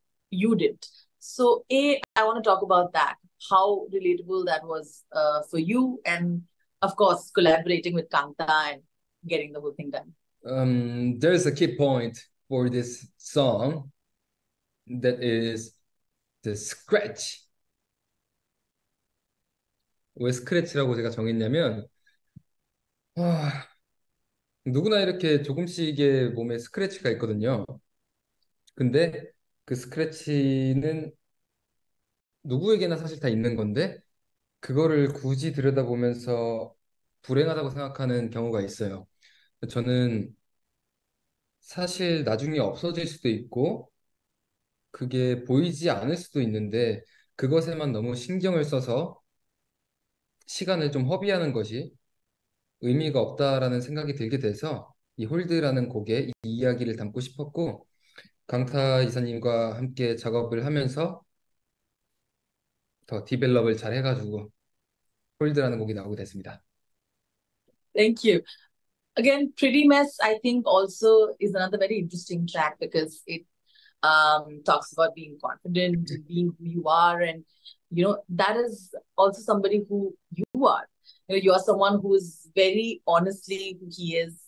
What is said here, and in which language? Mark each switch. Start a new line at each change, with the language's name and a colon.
English: You did. So, A, I want to talk about that. How relatable that was for you, and of course, collaborating with Kangta and getting the whole thing done. There's a key point for this song that is the scratch.
Korean: 왜 스크래치라고 제가 정했냐면, 누구나 이렇게 조금씩의 몸에 스크래치가 있거든요. 근데 그 스크래치는 누구에게나 사실 다 있는 건데, 그거를 굳이 들여다보면서 불행하다고 생각하는 경우가 있어요. 저는 사실 나중에 없어질 수도 있고 그게 보이지 않을 수도 있는데 그것에만 너무 신경을 써서 시간을 좀 허비하는 것이 의미가 없다라는 생각이 들게 돼서 이 홀드라는 곡에 이 이야기를 담고 싶었고 강타 이사님과 함께 작업을 하면서 더 디벨롭을 잘 해가지고 홀드라는 곡이 나오게 됐습니다.
English: Thank you. Again, Pretty Mess, I think, also is another very interesting track because it talks about being confident and being who you are. And, you know, that is also somebody who you are. You know, you are someone who is very honestly who he is.